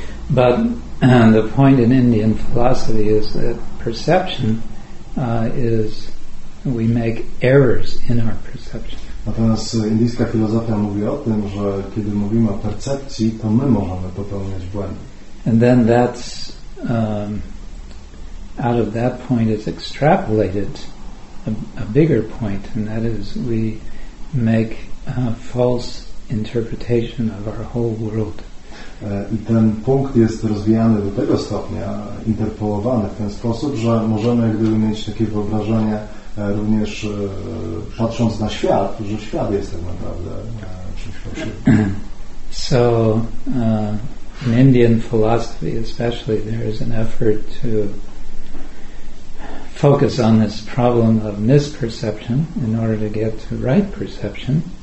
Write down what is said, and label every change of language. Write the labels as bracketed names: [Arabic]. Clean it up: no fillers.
[English] But the point in Indian philosophy is that perception is we make errors in our perception. [Polish] Natomiast indyjska filozofia mówi o tym, że kiedy mówimy o percepcji, to my możemy popełniać błędy. [English] And then that's out of that point is extrapolated a bigger point, and that is we make a false interpretation of our whole world. [Polish] I ten punkt jest rozwijany do tego stopnia, interpolowany w ten sposób, że możemy jak gdyby mieć takie wyobrażenie również patrząc na świat, że świat jest tak naprawdę czymś fałszywym. [English] So in Indian philosophy especially there is an effort to focus on this problem of misperception in order to get to right perception.